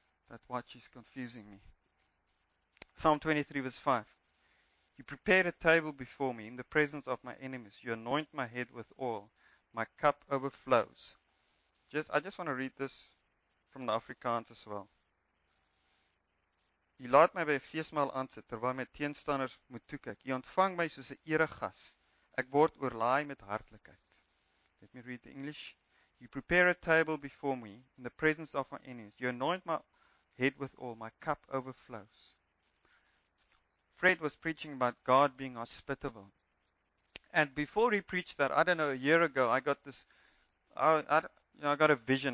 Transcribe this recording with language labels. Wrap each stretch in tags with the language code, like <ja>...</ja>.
<en>That watch is confusing me. Psalm 23 verse 5. You prepare a table before me in the presence of my enemies. You anoint my head with oil. My cup overflows. I just want to read this from the Afrikaans as well.</en> <af>U laat my by 'n feesmaal aansit terwyl my teenstanders moet toekyk. U ontvang my soos 'n eregas. Ek word oorlaai met hartlikheid.</af> <en>Let me read the English. You prepare a table before me in the presence of my enemies. You anoint my head with oil. My cup overflows. Fred was preaching about God being hospitable. And before he preached that, I don't know, a year ago, I got this, I got a vision.</en>